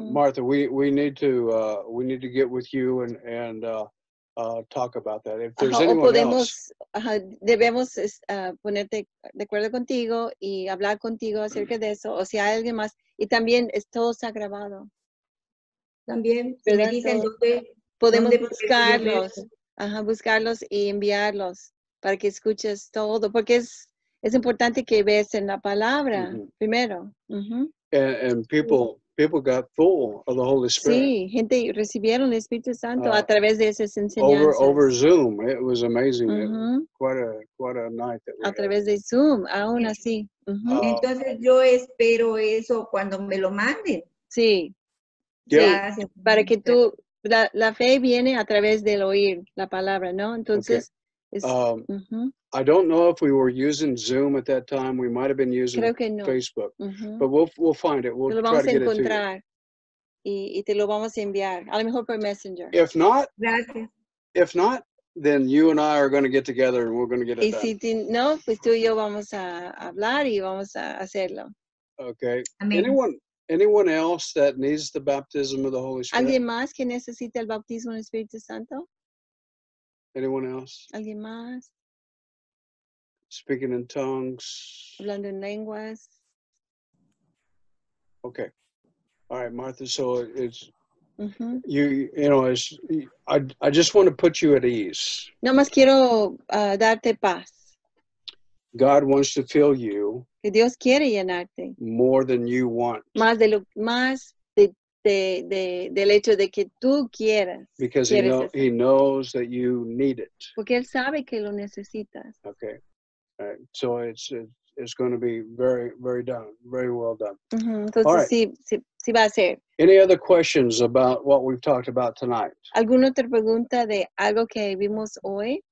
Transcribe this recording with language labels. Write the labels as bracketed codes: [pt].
[en] Martha, we need to get with you and talk about that. If there's anyone [es] podemos, [en] else, [es] debemos ponerte de acuerdo contigo y hablar contigo acerca de eso. O si hay alguien más, y también es todo está grabado. También. Si me dicen dónde, podemos buscarlos, buscarlos y enviarlos para que escuches todo, porque es. Es importante que veas en la palabra, mm-hmm. Primero. Mm-hmm. [en] And people got full of the Holy Spirit. [es] Sí, gente recibieron el Espíritu Santo a través de esas enseñanzas. [en] Over Zoom, it was amazing. Mm-hmm. Quite a night. That we [es] a través De Zoom, aún yeah. Así. Mm-hmm. Entonces yo espero eso cuando me lo manden. Sí. [en] Yeah. [es] Sí. Para que tú, la fe viene a través del oír la palabra, ¿no? Entonces. Okay. Mm-hmm. [en] I don't know if we were using Zoom at that time. We might have been using [es] no. [en] Facebook, mm-hmm. But we'll find it. We'll try to get it to you. [es] Y te lo vamos a enviar. A lo mejor por Messenger. [en] If not, [es] gracias. [en] If not, then you and I are going to get together and we're going to get it [es] y [en] done. [es] Y si no, pues tú y yo vamos a hablar y vamos a hacerlo. [en] Okay. Amen. Anyone else that needs the baptism of the Holy Spirit? [es] ¿Alguien más que necesita el bautismo del Espíritu Santo? [en] Anyone else? [es] ¿Alguien más? [en] Speaking in tongues. [es] Hablando en lenguas. [en] Okay. All right, Martha. So it's mm-hmm. I just want to put you at ease. [es] No más quiero darte paz. [en] God wants to fill you. [es] Que Dios quiere llenarte. [en] More than you want. [es] Del hecho de que tú quieras. [en] Because he knows that you need it. [es] Porque él sabe que lo necesitas. [en] Okay. All right. So it's going to be very, very done. Very well done. [es] Mm-hmm. Entonces, [en] all right. [es] Sí va a ser. [en] Any other questions about what we've talked about tonight? [es] ¿Alguna otra pregunta de algo que vimos hoy?